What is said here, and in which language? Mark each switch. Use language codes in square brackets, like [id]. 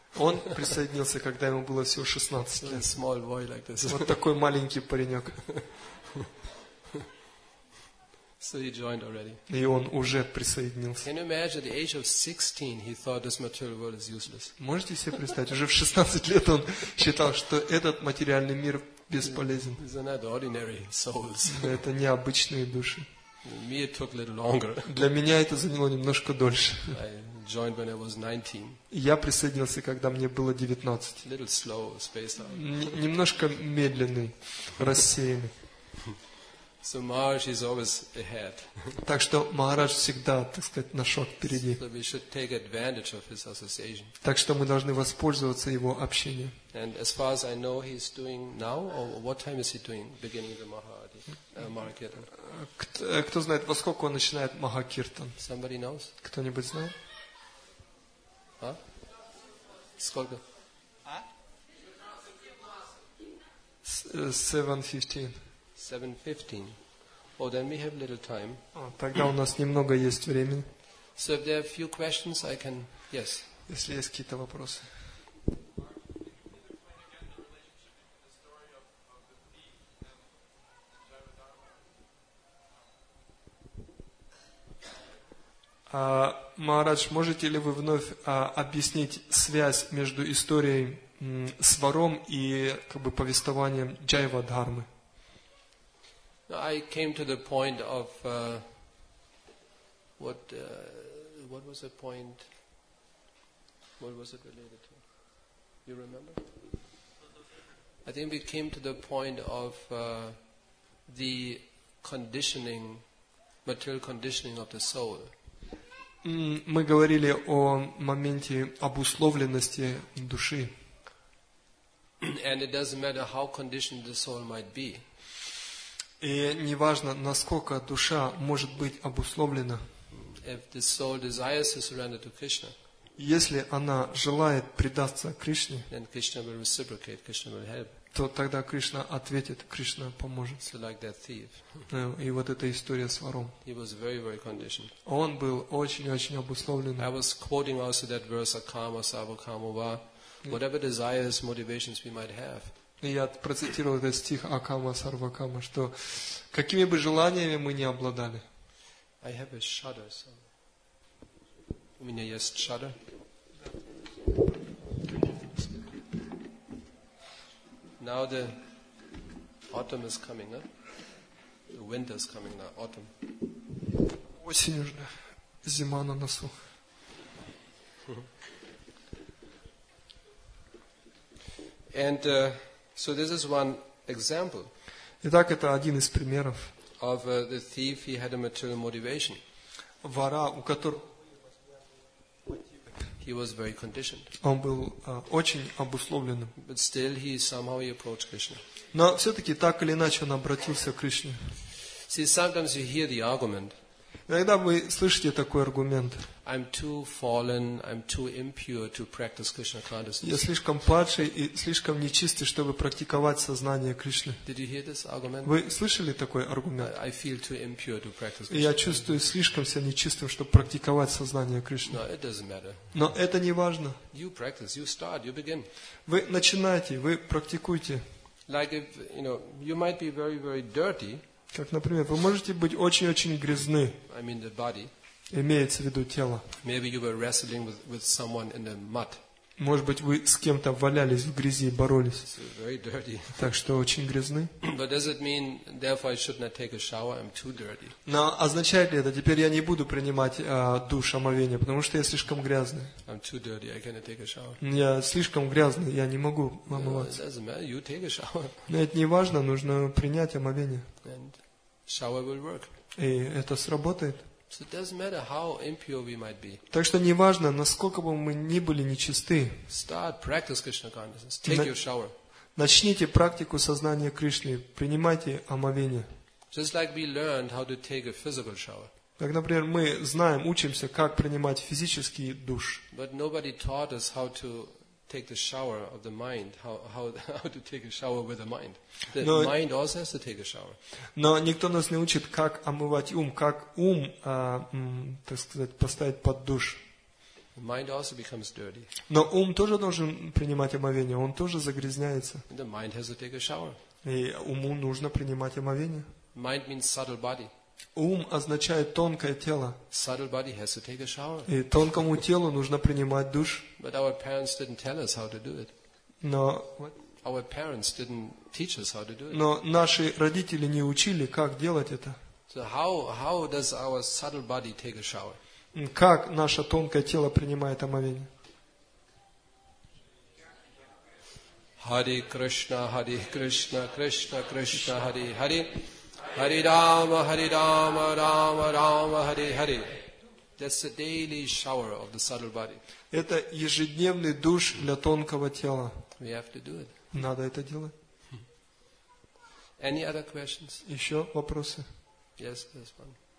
[ru] Он присоединился, когда ему было всего 16 лет. [en] A small boy like this. [ru] Вот такой маленький паренек. [en] So he joined already. [ru] И он уже присоединился. [en] Can you imagine the age of 16? He thought this material world is useless. [ru] Можете себе представить, уже в 16 лет он считал, что этот материальный мир бесполезен. [en] These are not ordinary souls. [ru] Это необычные души. [en] Me it took a little longer. [ru] Для меня это заняло немножко дольше. [en] I joined when I was 19. [ru] Я присоединился, когда мне было 19. [en] A little slow, spaced out. [ru] Немножко медленный, рассеянный. [en] So Maharaj is always ahead. [ru] Так что Махарадж всегда, так сказать, на шаг впереди. [en] So we should take advantage of his association. [ru] Так что мы должны воспользоваться его общением. [en] And as far as I know, he's doing now, or what time is he doing, beginning the Mahakirtan? [ru] Кто знает, во сколько он начинает Махакиртан? [en] Somebody knows? [ru] Кто-нибудь знает? А? Сколько? А? [en] 7:15. Oh, then we have little time. [ru] Тогда у нас немного есть времени. [en] So if there are a few questions, I can, yes. [ru] Если есть какие-то вопросы. Махарадж, можете ли вы вновь объяснить связь между историей с вором и как бы повествованием Джайва Дхармы? [en] I came to the point of what was the point? What was it related to? You remember? I think we came to the point of the conditioning, material conditioning of the soul. [ru] Мы говорили о моменте обусловленности души. [en] And it doesn't matter how conditioned the soul might be. [ru] И неважно, насколько душа может быть обусловлена. [en] If the soul desires to surrender to Krishna, [ru] если она желает предаться Кришне, [en] then Krishna will reciprocate, Krishna will help. [ru] То тогда Кришна ответит, Кришна поможет. [en] So like that thief. [ru] И вот эта история с вором. [en] He was very, very conditioned. [ru] Он был очень-очень обусловлен. [en] I was quoting also that verse, [sa] akama, sava, kama, va. [en] Whatever desires, motivations we might have. [ru] И я процитировал этот стих Акама Сарвакама, что какими бы желаниями мы ни обладали. [en] I have a shudder, so. [ru] У меня есть shudder. [en] Now the autumn is coming, huh? The winter is coming now, autumn. [ru] Осень уже, зима на носу. [en] And so this is one example. [ru] Итак, это один из примеров. [en] Of the thief, he had a material motivation. [ru] Вора, у которого [en] he was very conditioned. [ru] Он был очень обусловленным. [en] But still, he somehow he approached Krishna. [ru] Но все-таки так или иначе он обратился к Кришне. [en] See, sometimes you hear the argument. [ru] Иногда вы слышите такой аргумент. [en] I'm too fallen, I'm too impure to practice Krishna consciousness. [ru] Я слишком падший и слишком нечистый, чтобы практиковать сознание Кришны. [en] Did you hear this argument? [ru] Вы слышали такой аргумент? [en] I feel too impure to practice Krishna. [ru] Я чувствую слишком себя нечистым, чтобы практиковать сознание Кришны. [en] No, it doesn't matter. [ru] Но это не важно. [en] You practice, you start, you begin. [ru] Вы начинаете, вы практикуете. [en] Like if, you know, you might be very, very dirty. [ru] Как, например, вы можете быть очень-очень грязны. [en] I mean the body. [ru] Имеется в виду тело. [en] Maybe you were wrestling with someone in the mud. [ru] Может быть, вы с кем-то валялись в грязи и боролись. [en] So very dirty. [ru] Так что очень грязны. [en] But does it mean, therefore I should not take a shower? I'm too dirty. [ru] Но означает ли это, теперь я не буду принимать душ, омовение, потому что я слишком грязный. [en] I'm too dirty. I cannot take a shower. [ru] Я слишком грязный, я не могу омываться. [en] No, it doesn't matter. You take a shower. [ru] Но это не важно, нужно принять омовение. [en] And shower will work. [ru] И это сработает. [en] So it doesn't matter how impure we might be. [ru] Так что не важно, насколько бы мы ни были нечисты. [en] Start practice Krishna consciousness. Take your shower. [ru] Начните практику сознания Кришны. Принимайте омовение. [en] Just like we learned how to take a physical shower. [ru] Так, например, мы знаем, учимся, как принимать физический душ. [en] But nobody taught us how to take the shower of the mind. How to take a shower with the mind. The mind also has to take a shower. [ru] Но никто нас не учит, как омывать ум, как ум, так сказать, поставить под душ. [en] The mind also becomes dirty. [ru] Но ум тоже должен принимать омовение, он тоже загрязняется. [en] The mind has to take a shower. [ru] И уму нужно принимать омовение. [en] Mind means subtle body. [ru] Ум означает тонкое тело. [en] Subtle body has to take a shower. [ru] И тонкому телу нужно принимать душ. [en] But our parents didn't tell us how to do it. [ru] Но [en] our parents didn't teach us how to do it. [ru] Но наши родители не учили, как делать это. [en] So how does our subtle body take a shower? [ru] Как наше тонкое тело принимает омовение? [sa] Hare Krishna, Hare Krishna, Krishna Krishna, Hare Hare. Hare Rama, Hare Rama, Rama Rama, Hare Hare. [en] That's the daily shower of the subtle body. [ru] Это ежедневный душ для тонкого тела. [en] We have to do it. [ru] Надо это делать. [en] Any other questions? [ru] Еще вопросы? [en] Yes, there's one.